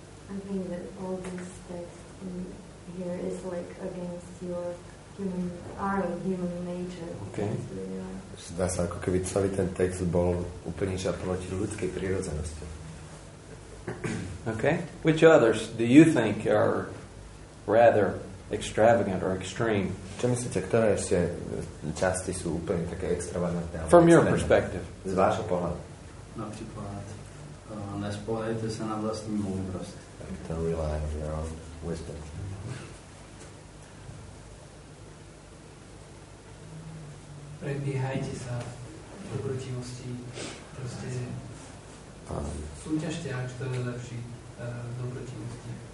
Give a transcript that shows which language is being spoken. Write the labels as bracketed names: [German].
[English] I think that all these texts in here is like against your human, our human nature. Okay. [Slovak] Zdá sa, ako keby celý ten text bol úplne čo proti ľudskej prírodzenosti. [English] Okay. Which others do you think are rather extravagant or extreme? [Slovak] Čo myslíte, ktoré ešte časti sú úplne také extravagantné? [English] From your perspective. [Slovak] Z vášho pohľadu. Napríklad, nespoliehajte sa na vlastnú múdrosť. [English] Don't rely on your own wisdom. [Slovak] Predbiehajte sa v dobrotivosti, proste Súťažte, ak to je lepší dobrotivosti.